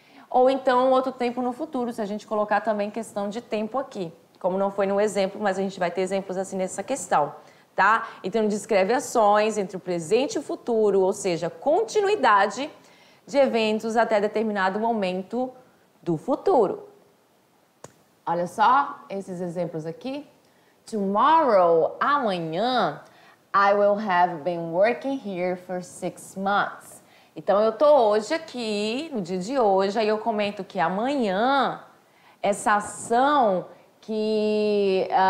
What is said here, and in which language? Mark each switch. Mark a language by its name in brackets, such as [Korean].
[Portuguese] Ou então outro tempo no futuro, se a gente colocar também questão de tempo aqui. Como não foi no exemplo, mas a gente vai ter exemplos assim nessa questão. Tá? Então descreve ações entre o presente e o futuro, ou seja, continuidade de eventos até determinado momento do futuro. Olha só esses exemplos aqui. [English] Tomorrow, [Portuguese] amanhã, [English] I will have been working here for 6 months. [Portuguese] Então, eu tô hoje aqui, no dia de hoje, aí eu comento que amanhã, essa ação que...